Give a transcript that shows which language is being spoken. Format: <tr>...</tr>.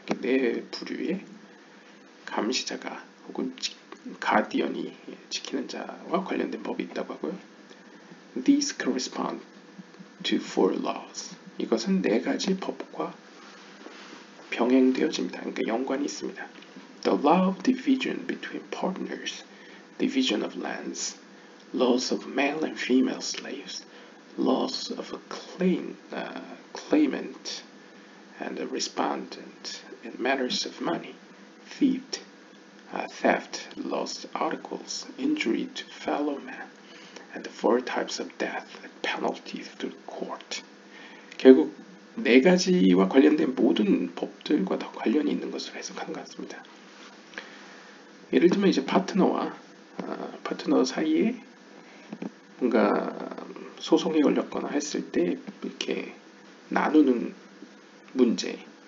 <ko>이렇게 네 부류의 감시자가 혹은 가디언이 지키는 자와 관련된 법이 있다고 하고요.</ko> <en>These correspond to four laws.</en> <ko>이것은 네 가지 법과 병행되어집니다. 그러니까 연관이 있습니다.</ko> <en>The law of division between partners, division of lands, laws of male and female slaves, laws of a claimant and a respondent in matters of money, theft, lost articles, injury to fellow man, and the four types of death, penalties to court.</en> <ko>결국 네 가지와 관련된 모든 법들과 다 관련이 있는 것으로 해석하는 것 같습니다. 예를 들면 이제 파트너와 파트너 사이에 뭔가 소송이 걸렸거나 했을 때 이렇게 나누는 문제,</ko>